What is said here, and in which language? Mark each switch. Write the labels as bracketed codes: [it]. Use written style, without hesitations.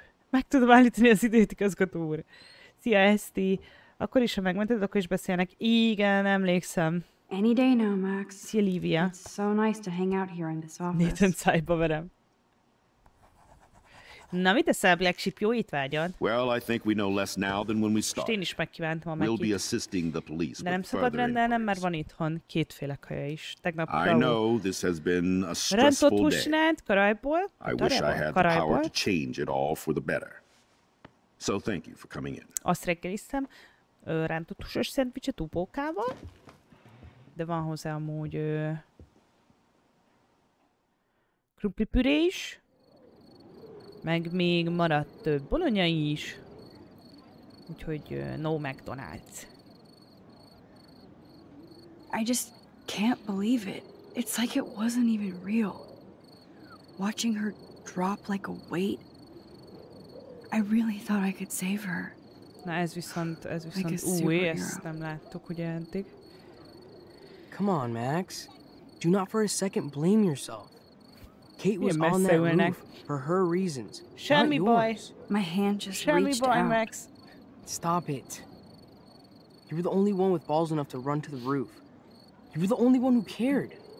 [hu] Meg tudom állítani az időt, igazgató úr. Szia, Eszti. Akkor is, ha megmented, akkor is beszélnek. Igen, emlékszem. [en] Any day now, Max. [hu] Szia, Livia. [en] It's so nice to hang out here in this office. [hu] Nathan szájba verem. Na, mit teszel, Black Sheep? Jó étvágyad? [en] Well, I think we know less now than when we started. [hu] Most én is megkívántam a [en] We'll be assisting the police. [hu] De nem szabad rendelnem, mert van itthon kétféle kaja is. Tegnap [en] I know this has been a stressful day. [hu] Rántott húsnát, karajból. [en] I wish I had the power to change it all for the better. So thank you for coming in. [hu] Azt reggeliztem. Rántott húsos szendvicset ubókával. De van hozzá amúgy... krumplipüré is. Meg még maradt bolonya is. Úgyhogy no McDonald's. [en] I just can't believe it. It's like it wasn't even real. Watching her drop like a weight. I really thought I could save her. [hu] Na ez viszont like új, ezt nem láttuk ugye eddig. [en] Come on, Max. Do not for a second blame yourself. Kate was on that roof for her reasons. Shammy boy. My hand just reached out. Shammy boy, Max. Stop it. You were the only one with balls enough to run to the roof. You were the only one who cared.